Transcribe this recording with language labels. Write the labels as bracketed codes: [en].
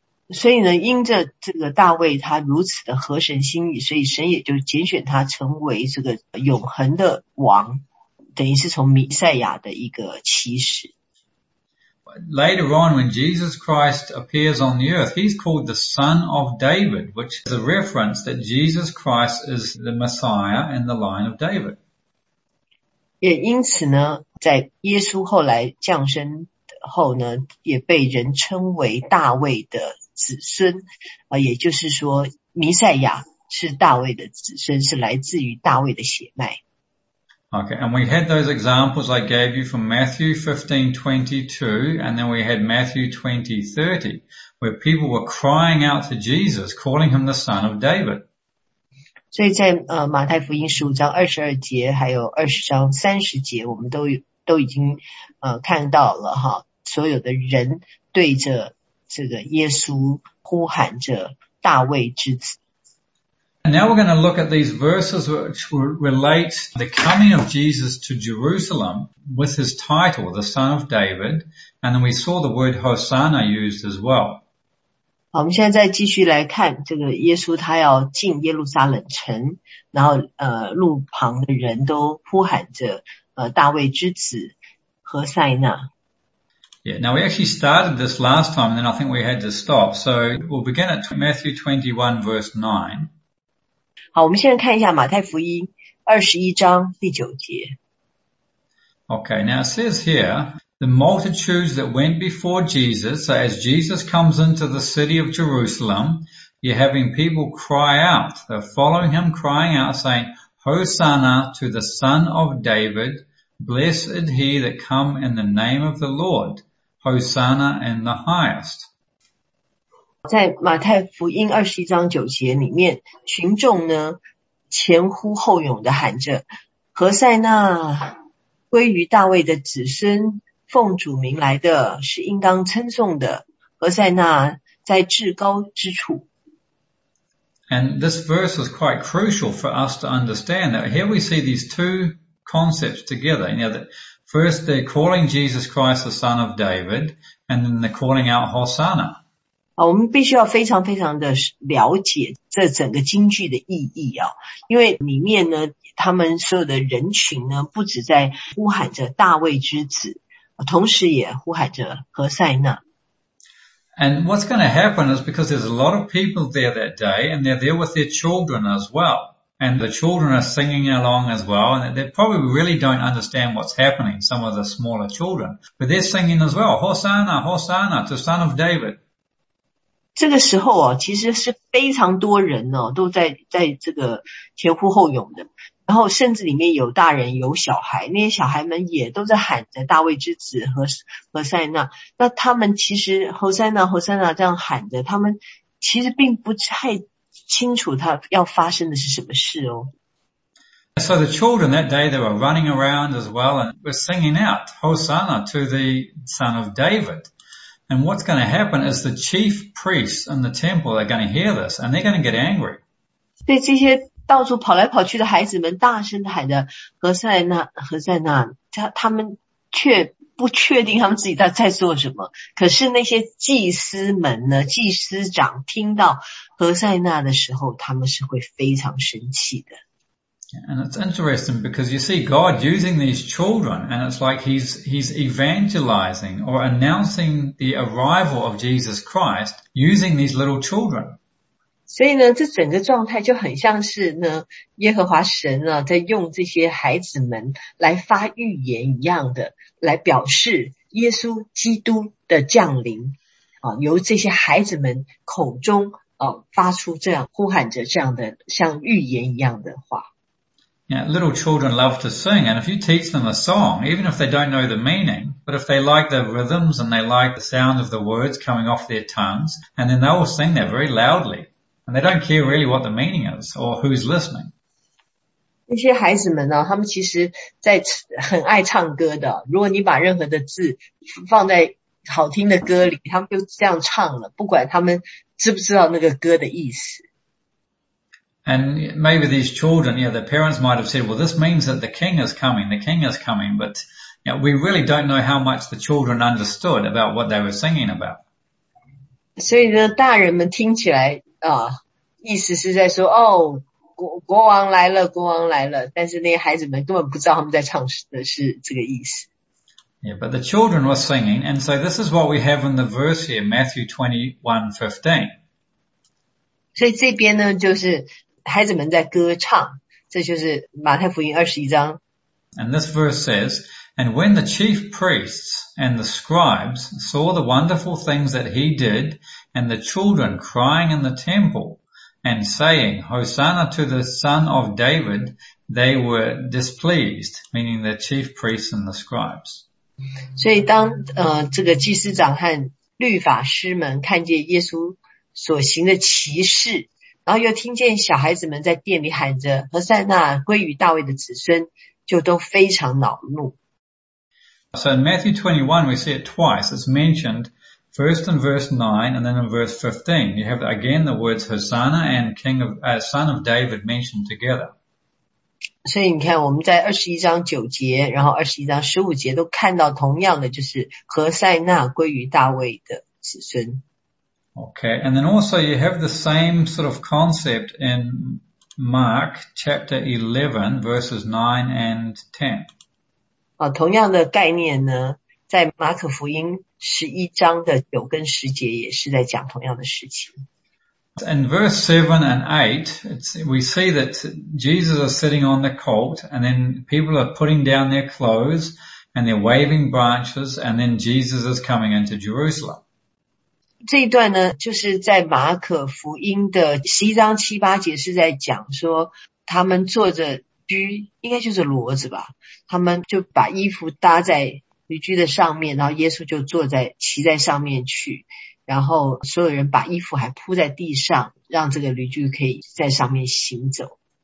[zh] 所以呢，因着这个大卫他如此的合神心意，所以神也就拣选他成为这个永恒的王，等于是从弥赛亚的一个起始。 [en] Later on, when Jesus Christ appears on the earth, he's called the Son of David, which is a reference that Jesus Christ is the Messiah in the line of David. [zh] 也因此呢，在耶稣后来降生后呢，也被人称为大卫的子孙，也就是说，弥赛亚是大卫的子孙，是来自于大卫的血脉。 [en] Okay, and we had those examples I gave you from Matthew 15:22, and then we had Matthew 20:30, where people were crying out to Jesus, calling him the Son of David. [zh] 所以在马太福音15章22节还有20章30节我们都已经看到了哈，所有的人对着这个耶稣呼喊着大卫之子。 [en] And now we're going to look at these verses which relate the coming of Jesus to Jerusalem with his title, the Son of David, and then we saw the word Hosanna used as well. [zh] 好，我们现在再继续来看这个耶稣他要进耶路撒冷城，然后路旁的人都呼喊着大卫之子何塞纳。 [en] Yeah, now we actually started this last time and then I think we had to stop. So we'll begin at Matthew 21 verse 9. [zh] 好，我们现在看一下马太福音21章第9节。 [en] Okay, now it says here, the multitudes that went before Jesus, so as Jesus comes into the city of Jerusalem, you're having people cry out, they're following him crying out saying, Hosanna to the Son of David, blessed he that come in the name of the Lord, Hosanna in the highest. [zh] 在马太福音二十一章九节里面，群众呢前呼后拥的喊着，何塞纳，归于大卫的子孙，奉主名来的是应当称颂的，何塞纳在至高之处。 [en] And this verse is quite crucial for us to understand that here we see these two concepts together. You know, that first they're calling Jesus Christ the Son of David, and then they're calling out Hosanna. [zh] 我们必须要非常非常的了解这整个经句的意义啊，因为里面呢，他们所有的人群呢，不只在呼喊着大卫之子，同时也呼喊着何塞纳。 [en] And what's going to happen is because there's a lot of people there that day, and they're there with their children as well. And the children are singing along as well, and they probably really don't understand what's happening, some of the smaller children. But they're singing as well, Hosanna, Hosanna, to Son of David. [zh] 这个时候啊，其实是非常多人哦，都在这个前呼后拥的。然后甚至里面有大人有小孩，那些小孩们也都在喊着大卫之子和何塞纳。那他们其实何塞纳何塞纳这样喊着，他们其实并不太清楚他要发生的是什么事哦。 [en] So the children that day they were running around as well and were singing out Hosanna to the Son of David. And what's going to happen is the chief priests in the temple are going to hear this and they're going to get angry. [zh] 对这些到处跑来跑去的孩子们大声地喊着何塞纳何塞纳，他们却不确定他们自己在做什么。可是那些祭司们呢，祭司长听到何塞纳的时候，他们是会非常生气的。 [en] And it's interesting because you see God using these children and it's like he's evangelizing or announcing the arrival of Jesus Christ using these little children. [zh] 所以呢，这整个状态就很像是呢，耶和华神啊，在用这些孩子们来发预言一样的，来表示耶稣基督的降临，啊，由这些孩子们口中啊发出这样呼喊着这样的像预言一样的话。 [en] Yeah, little children love to sing, and if you teach them a song, even if they don't know the meaning, but if they like the rhythms and they like the sound of the words coming off their tongues, and then they will sing that very loudly. And they don't care really what the meaning is or who's listening. [zh] 那些孩子们呢，他们其实在很爱唱歌的。如果你把任何的字放在好听的歌里，他们就这样唱了，不管他们知不知道那个歌的意思。 [en] And maybe these children, yeah, the parents might have said, well, this means that the king is coming, the king is coming. But yeah, we really don't know how much the children understood about what they were singing about. [zh] 所以呢，大人们听起来意思是在说哦国王来了国王来了，但是那些孩子们根本不知道他们在唱的是这个意思。 [en] Yeah, but the children were singing, and so this is what we have in the verse here, Matthew 21:15. [zh] 所以这边呢就是孩子们在歌唱，这就是马太福音21章。 [en] And this verse says, And when the chief priests and the scribes saw the wonderful things that he did,And the children crying in the temple and saying, Hosanna to the Son of David, they were displeased, meaning the chief priests and the scribes. [zh] 所以当这个祭司长和律法师们看见耶稣所行的奇事，然后又听见小孩子们在殿里喊着何塞纳归于大卫的子孙，就都非常恼怒。 [en] So in Matthew 21, we see it twice. It's mentioned,First in verse 9 and then in verse 15, you have again the words Hosanna and Son of David mentioned together. [zh] 所以你看我们在21章9节然后21章15节都看到同样的就是何塞纳归于大卫的子孙。 [en] Okay, and then also you have the same sort of concept in Mark chapter 11 verses 9 and 10. [zh] 啊，同样的概念呢，在马可福音11章的9跟10节也是在讲同样的事情。 [en] In verse 7 and 8, we see that Jesus is sitting on the colt, and then people are putting down their clothes, and they're waving branches, and then Jesus is coming into Jerusalem. [zh] 这一段呢，就是在马可福音的11章7、8节是在讲说，他们坐着驹，应该就是骡子吧，他们就把衣服搭在驴驹的上面，然后耶稣就坐在骑在上面去，然后所有人把衣服还铺在地上，让这个驴驹可以在上面行走。